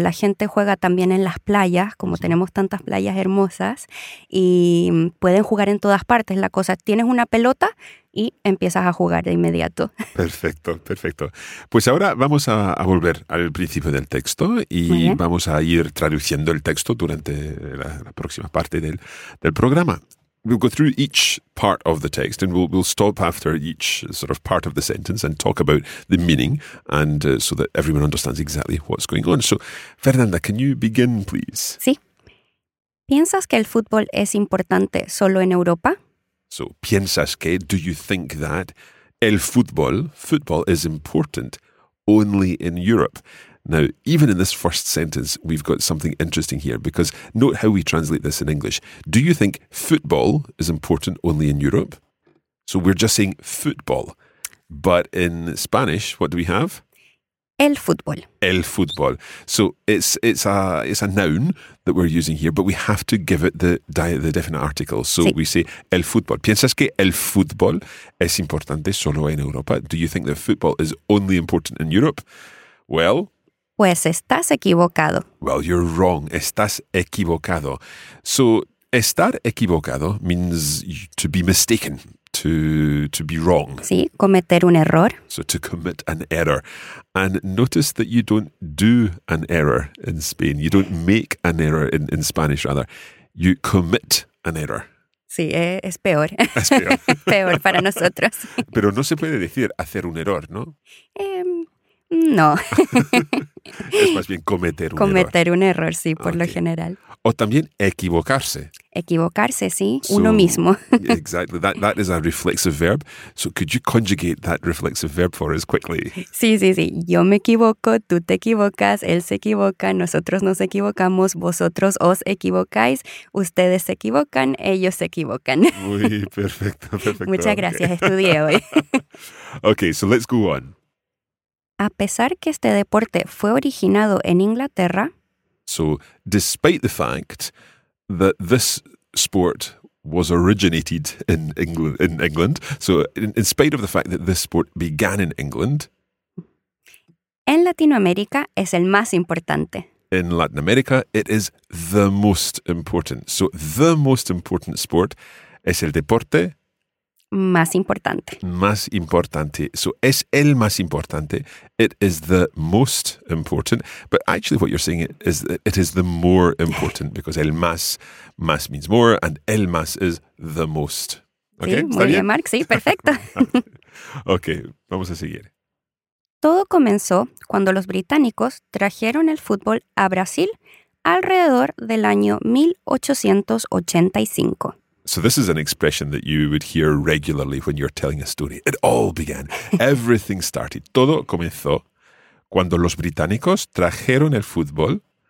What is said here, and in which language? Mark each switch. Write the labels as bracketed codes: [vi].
[es] La gente juega también en las playas, como tenemos tantas playas hermosas, y pueden jugar en todas partes. La cosa, tienes una pelota y empiezas a jugar de inmediato. Perfecto, perfecto. Pues ahora vamos a volver al principio del texto y vamos a ir traduciendo el texto durante la próxima parte del programa. [en] We'll go through each part of the text and we'll stop after each sort of part of the sentence and talk about the meaning and so that everyone understands exactly what's going on. So, Fernanda, can you begin, please? [es] Sí. ¿Piensas que el fútbol es importante solo en Europa? [en] So, [es] ¿piensas que, [en] do you think that el fútbol is important only in Europe? Now, even in this first sentence, we've got something interesting here, because note how we translate this in English. Do you think football is important only in Europe? So we're just saying football. But in Spanish, what do we have? [es] El fútbol. El fútbol. [en] So it's a noun that we're using here, but we have to give it the definite article. [es] So sí. [en] We say el fútbol. [es] ¿Piensas que el fútbol es importante solo en Europa? [en] Do you think that football is only important in Europe? Well... [es] Pues estás equivocado. [en] Well, you're wrong. [es] Estás equivocado. [en] So, [es] estar equivocado [en] means to be mistaken, to be wrong. [es] Sí, cometer un error. [en] So, to commit an error. And notice that you don't do an error in Spain. You don't make an error in Spanish, rather. You commit an error. [es] Sí, es peor. Es peor. Peor para nosotros. Pero no se puede decir hacer un error, ¿no? No. Es más bien cometer un error. Cometer un error, sí, por lo general. O también equivocarse. Equivocarse, sí, uno mismo. [en] Exactly. That is a reflexive verb. So could you conjugate that reflexive verb for us quickly? [es] Sí. Yo me equivoco, tú te equivocas, él se equivoca, nosotros nos equivocamos, vosotros os equivocáis, ustedes se equivocan, ellos se equivocan. Muy perfecto, perfecto. Muchas gracias, estudié hoy. [en] Okay, so let's go on. [es] A pesar que este deporte fue originado en Inglaterra. [en] So, despite the fact that this sport was originated in England, so in spite of the fact that this sport began in England. [es] En Latinoamérica es el más importante. [en] In Latin America, it is the most important. So, the most important sport [es] es el deporte. Más importante. Más importante. So, es el más importante. [en] It is the most important. But actually what you're saying is that it is the more important because [es] el más, [en] más means more and el más is the most. [es] Okay, sí, muy bien, Mark. Sí, perfecto. Okay, vamos a seguir. Todo comenzó cuando los británicos trajeron el fútbol a Brasil alrededor del año 1885. [en] So this is an expression that you would hear regularly when you're telling a story. It all began. Everything started. [es] Todo comenzó cuando los británicos trajeron el fútbol.